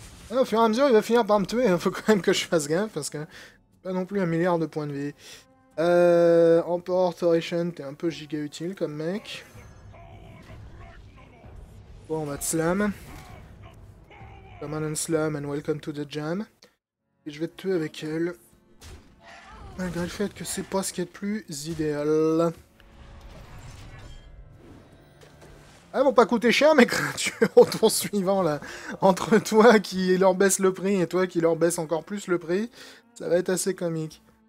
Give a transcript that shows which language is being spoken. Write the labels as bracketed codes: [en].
[fr] Ah, au fur et à mesure, il va finir par me tuer. Il faut quand même que je fasse gaffe parce que pas non plus un milliard de points de vie. Emperor Thoration, t'es un peu giga utile comme mec. Bon, on va te slam. [en] Come on and slam and welcome to the jam. [fr] Et je vais te tuer avec elle. Malgré le fait que c'est pas ce qui est le plus idéal. Elles vont pas coûter cher mes créatures au tour suivant là. Entre toi qui leur baisse le prix et toi qui leur baisse encore plus le prix, ça va être assez comique.